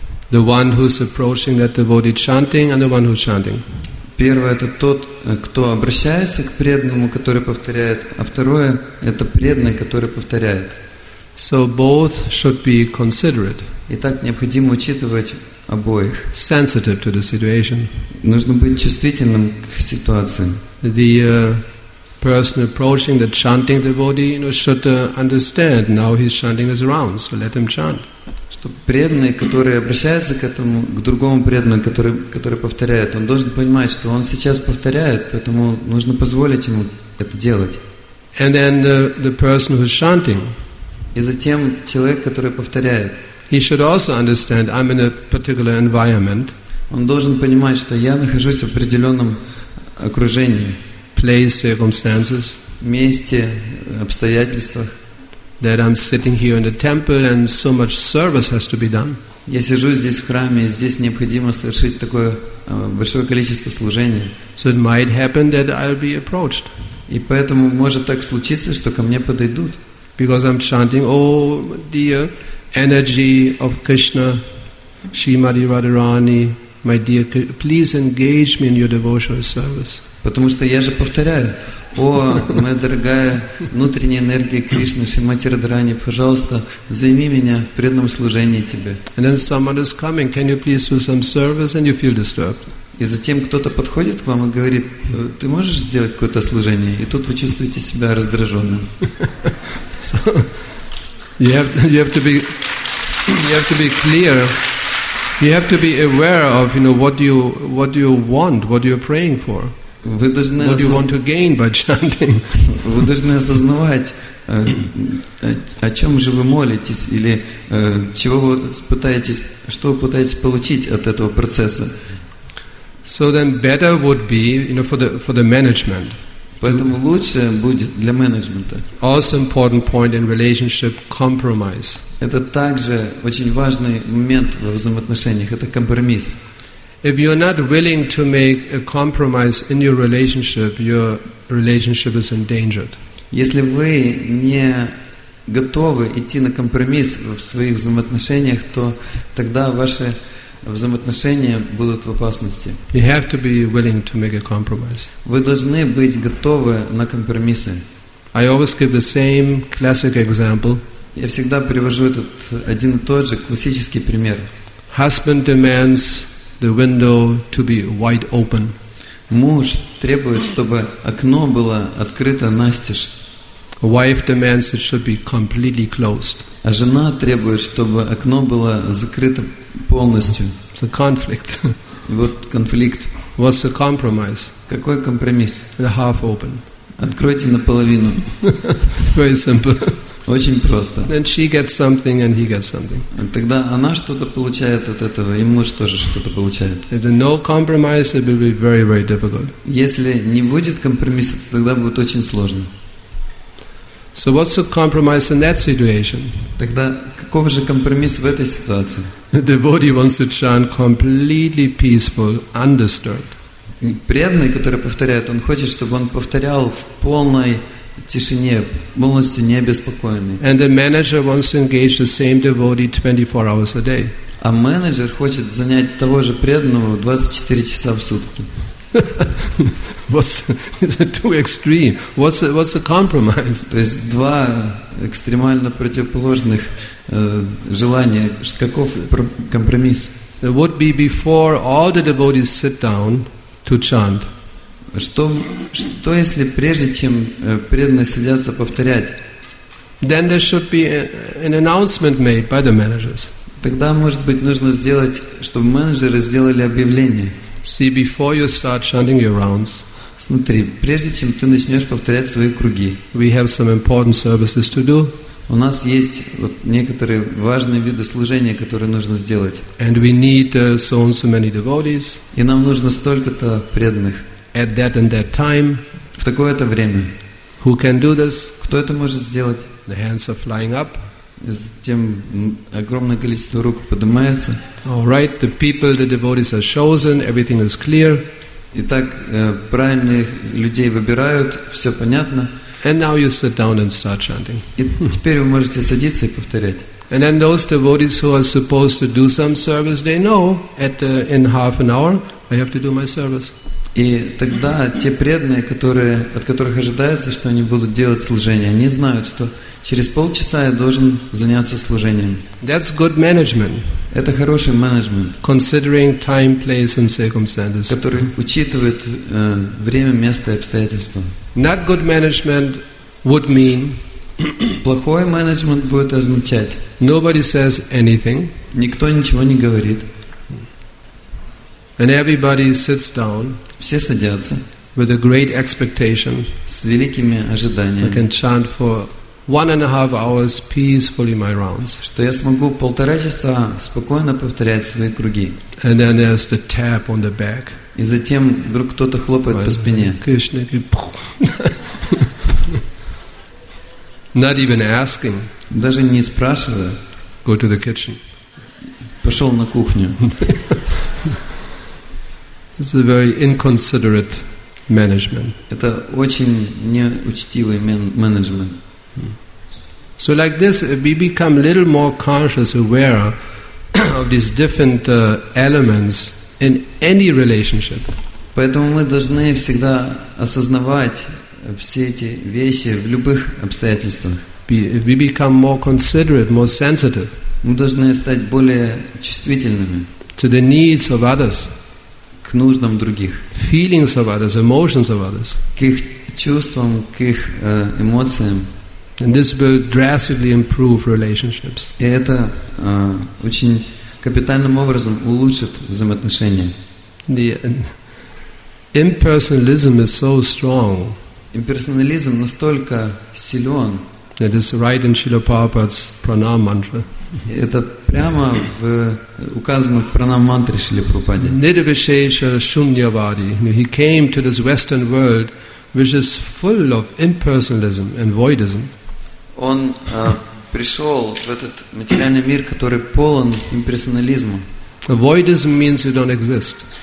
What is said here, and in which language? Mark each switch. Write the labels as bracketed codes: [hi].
[en] The one who's approaching that devotee chanting and the one who's chanting. [ru] Первое – это тот, кто обращается к преданному, который повторяет, а второе – это преданный, который повторяет. [en] So both should be considerate. [ru] Итак, необходимо учитывать обоих. [en] Sensitive to the situation. [ru] Нужно быть чувствительным к ситуации. [en] The person approaching, the chanting devotee, you know, should understand. Now he's chanting his rounds, so let him chant. [ru] Что преданный, который обращается к этому, к другому преданному, который повторяет, он должен понимать, что он сейчас повторяет, поэтому нужно позволить ему это делать. [en] And then the person who's chanting. [ru] И затем человек, который повторяет. [en] He should also understand I'm in a particular environment. [ru] Он должен понимать, что я нахожусь в определенном окружении. [en] Place, circumstances. [ru] Месте, обстоятельствах. [en] That I'm sitting here in the temple and so much service has to be done. [ru] Я сижу здесь в храме, и здесь необходимо совершить такое большое количество служения. [en] So it might happen that I'll be approached. [ru] И поэтому может так случиться, что ко мне подойдут. [en] Because I'm chanting, oh dear, energy of Krishna, Srimati Radharani, my dear, please engage me in your devotional service. [ru] Потому что я же повторяю, о, моя дорогая внутренняя энергия Кришны, Шримати Радхарани, пожалуйста, займи меня в преданном служении тебе. [en] And then someone is coming, can you please do some service, and you feel disturbed. [ru] И затем кто-то подходит к вам и говорит, ты можешь сделать какое-то служение, и тут вы чувствуете себя раздраженным. [en] You have to be clear. You have to be aware of, you know, what do you want, what you're praying for. What do you want to gain by chanting? [ru] Вы должны осознавать, о чем же вы молитесь или чего вы пытаетесь, что вы пытаетесь получить от этого процесса. [en] So then better would be, you know, for the management. [ru] Поэтому лучше будет для менеджмента. [en] Also important point in relationship, compromise. [ru] Это также очень важный момент во взаимоотношениях, это компромисс. [en] If you're not willing to make a compromise in your relationship is endangered. [ru] Если вы не готовы идти на компромисс в своих взаимоотношениях, то тогда ваши взаимоотношения будут в опасности. [en] You have to be willing to make a compromise. [ru] Вы должны быть готовы на компромиссы. [en] I always give the same classic example. [ru] Я всегда привожу этот один и тот же классический пример. [en] Husband demands the window to be wide open. [ru] Муж требует, чтобы окно было открыто настежь. [en] Wife demands it should be completely closed. [ru] А жена требует, чтобы окно было закрыто полностью. [en] The conflict. [ru] Вот конфликт. [en] What's the compromise? [ru] Какой компромисс? [en] The half open. [ru] Откройте наполовину. [en] Very simple. [ru] Очень просто. [en] Then she gets something and he gets something. [ru] Тогда она что-то получает от этого, и муж тоже что-то получает. [en] If there's no compromise, it will be very, very difficult. [ru] Если не будет компромисса, тогда будет очень сложно. [en] So what's the compromise in that situation? [ru] Тогда какого же компромисс в этой ситуации? [en] The devotee wants to chant completely peaceful, undisturbed. [ru] Преданный, который повторяет, он хочет, чтобы он повторял в полной тишине, полностью не обеспокоенный. [en] And the manager wants to engage the same devotee 24 hours a day. [ru] А менеджер хочет занять того же преданного 24 часа в сутки. [en] What's too extreme? What's the compromise? [ru] То есть два экстремально противоположных желания. Каков компромисс? [en] It would be before all the devotees sit down to chant. [ru] Что если прежде чем преданные садятся повторять? [en] Then there should be an announcement made by the managers. [ru] Тогда может быть нужно сделать, чтобы менеджеры сделали объявление. [en] See, before you start chanting your rounds. [ru] Смотри, прежде чем ты начнешь повторять свои круги. [en] We have some important services to do. [ru] У нас есть вот некоторые важные виды служения, которые нужно сделать. [en] And we need so and so many devotees. [ru] И нам нужно столько-то преданных. [en] At that and that time. [ru] В такое-то время. [en] Who can do this? [ru] Кто это может сделать? [en] The hands are flying up. [ru] Затем огромное количество рук поднимается. [en] All right, the people, the devotees are chosen. Everything is clear. [ru] Итак, правильных людей выбирают, все понятно. [en] And now you sit down and start chanting. [ru] И теперь вы можете садиться и повторять. [en] And then those devotees who are supposed to do some service, they know in half an hour I have to do my service. [ru] И тогда те преданные, которые, от которых ожидается, что они будут делать служение, они знают, что через полчаса я должен заняться служением. [en] That's good management. [ru] Это хороший менеджмент. [en] Considering time, place and circumstances. [ru] Который учитывает время, место и обстоятельства. [en] Not good management would mean. [ru] Плохой менеджмент будет означать. [en] Nobody says anything. [ru] Никто ничего не говорит. [en] And everybody sits down. [ru] Все садятся. [en] With a great expectation. [ru] С великими ожиданиями. [en] I can chant for 1.5 hours peacefully my rounds. [ru] Что я смогу полтора часа спокойно повторять свои круги. [en] And then there's the tap on the back. [ru] И затем вдруг кто-то хлопает по спине. Кришна. [en] Not even asking. [ru] Даже не спрашивая. [en] Go to the kitchen. [ru] Пошел на кухню. [en] This is a very inconsiderate management. [ru] Это очень неучтивый менеджмент. [en] So like this, we become a little more conscious, aware of these different elements in any relationship. [ru] Поэтому мы должны всегда осознавать все эти вещи в любых обстоятельствах. [en] We become more considerate, more sensitive. [ru] Мы должны стать более чувствительными. [en] To the needs of others. [ru] К нуждам других. [en] Feelings of others, emotions of others. [ru] К их чувствам, к их эмоциям. [en] And this will drastically improve relationships. [ru] И это очень капитальным образом улучшит взаимоотношения. [en] The impersonalism is so strong. [ru] Имперсонализм настолько силен. [en] That is right in Srila Prabhupada's pranam mantra. [ru] Это прямо в указанных пранам мантре Шрилы Прабхупады. [sa] Nirvishesha shunyavadi. [en] He came to this Western world, which is full of impersonalism and voidism. [ru] Он пришел в этот материальный мир, который полон имперсонализма. [en] Voidism means you don't exist.